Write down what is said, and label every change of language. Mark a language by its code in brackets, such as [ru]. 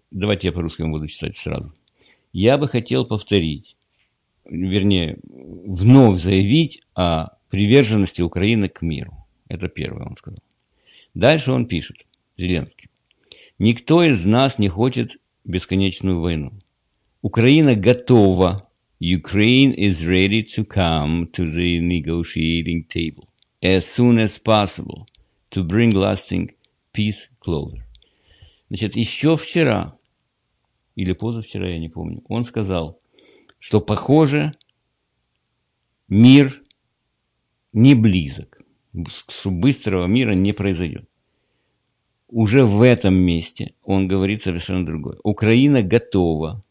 [ru] Давайте я по-русски буду читать сразу. Я бы хотел повторить, вернее, вновь заявить о приверженности Украины к миру. Это первое он сказал. Дальше он пишет, Зеленский. Никто из нас не хочет бесконечную войну. Украина готова. [en] Ukraine is ready to come to the negotiating table as soon as possible to bring lasting peace closer. [ru] Значит, еще вчера, или позавчера, я не помню, он сказал, что, похоже, мир не близок, быстрого мира не произойдет. Уже в этом месте он говорит совершенно другое. Украина готова.